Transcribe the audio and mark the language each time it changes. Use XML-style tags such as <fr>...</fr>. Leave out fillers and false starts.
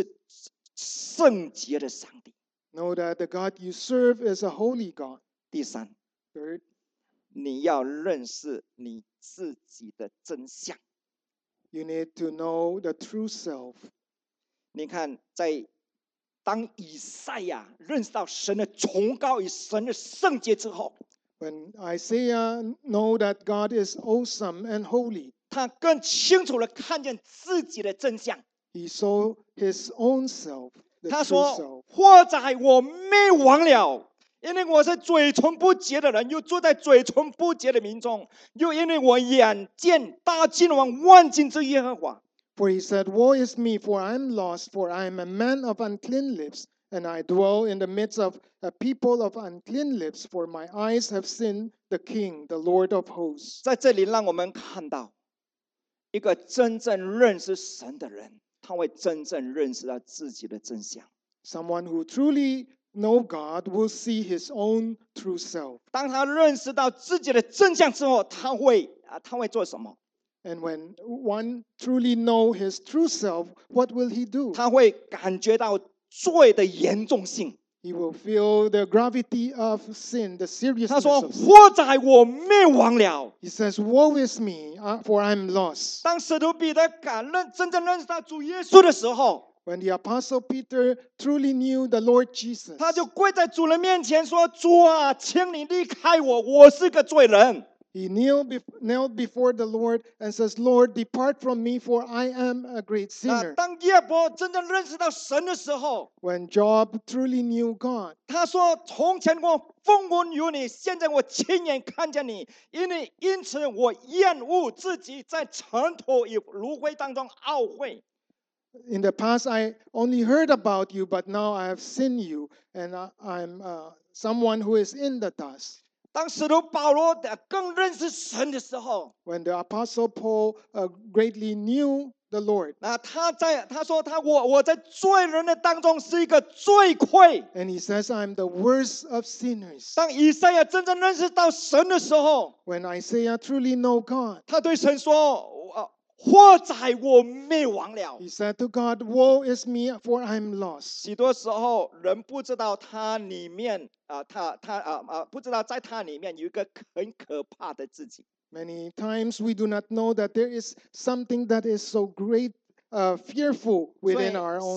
<zh>你要认识你所侍奉的上帝是圣洁的上帝。</zh> <en>Know that the God you serve is a holy God.</en> <zh>第三,</zh> <en>Third,</en> <zh>你要认识你自己的真相。</zh> <en>You need to know the true self.</en> <zh>你看，在当以赛亚认识到神的崇高与神的圣洁之后，</zh> <en>When Isaiah know that God is awesome and holy,</en> <zh>他更清楚地看见自己的真相。</zh> <en>He saw his own self.</en> <zh>他说：“祸在我灭亡了，因为我是嘴唇不洁的人，又住在嘴唇不洁的民众，又因为我眼见大君王万军之耶和华。”</zh> <en>For he said, "Woe is me, for I am lost, for I am a man of unclean lips, and I dwell in the midst of a people of unclean lips, for my eyes have seen the King, the Lord of hosts."</en> <zh>在这里，让我们看到一个真正认识神的人，他会真正认识到自己的真相。</zh> <en>Someone who truly knows God will see his own true self.</en> <zh>当他认识到自己的真相之后，他会做什么？</zh> <en>And when one truly knows his true self, what will he do?</en> <zh>他会感觉到罪的严重性。</zh> <en>He will feel the gravity of sin, the seriousness of sin.</en> <zh>他说：“祸在我灭亡了。”</zh> <en>He says, "Woe is me, for I'm lost."</en> <zh>当使徒彼得真正认识到主耶稣的时候，</zh> <en>When the apostle Peter truly knew the Lord Jesus,</en> <zh>他就跪在主的面前说：“主啊，请你离开我，我是个罪人。”</zh> <en>He knelt before the Lord and says, "Lord, depart from me, for I am a great sinner."</en> <zh>当亚伯真正认识到神的时候，</zh> <en>When Job truly knew God,</en> <zh>他说：“从前我风闻有你，现在我亲眼看见你，因此我厌恶自己，在尘土与炉灰当中懊悔。”</zh> <en>In the past, I only heard about you, but now I have seen you, and I'm someone who is in the dust.</en> <zh>当使徒保罗更认识神的时候，</zh> <en>When the apostle Paul greatly knew the Lord,</en> <zh>他说我在罪人的当中是一个罪魁。</zh> <en>And he says, "I'm the worst of sinners."</en> <zh>当以赛亚真正认识到神的时候，</zh> <en>When Isaiah truly know God,</en> <zh>他对神说，祸在我灭亡了。</zh> <en>He said to God, "Woe is me, for I'm lost."</en> <zh>许多时候，人不知道他里面不知道在他里面有一个很可怕的自己。</zh> <en>Many times we do not know that there is something that is so great, fearful within our own life.</en>